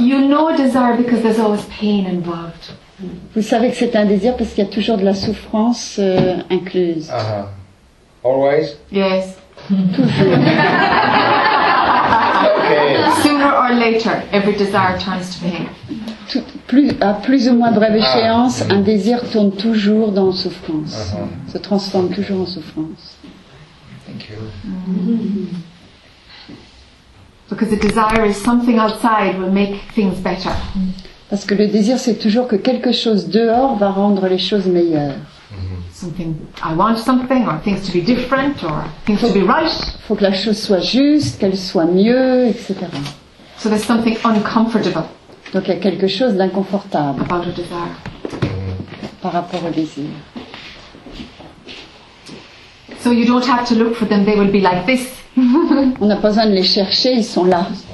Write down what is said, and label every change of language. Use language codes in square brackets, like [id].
[en] You know a desire because there's always pain involved. [fr] Vous savez que c'est un désir parce qu'il y a toujours de la souffrance incluse. [en] Always? Yes. [fr] Toujours. Okay. [en] Sooner or later, every desire turns to pain. [fr] Plus ou moins brève échéance, un désir tourne toujours dans souffrance. Se transforme toujours en souffrance. [en] Thank you. Mm-hmm. Because the desire is something outside will make things better. [fr] Parce que le désir, c'est toujours que quelque chose dehors va rendre les choses meilleures. [en] Something, I want something, or things to be different, or things to be right. [fr] Faut que la chose soit juste, qu'elle soit mieux, etc. [en] So there's something uncomfortable. [fr] Donc il y a quelque chose d'inconfortable. [en] About a desire. [fr] Par rapport au désir. [en] So you don't have to look for them, they will be like this. [fr] On n'a pas besoin de les chercher, ils sont là.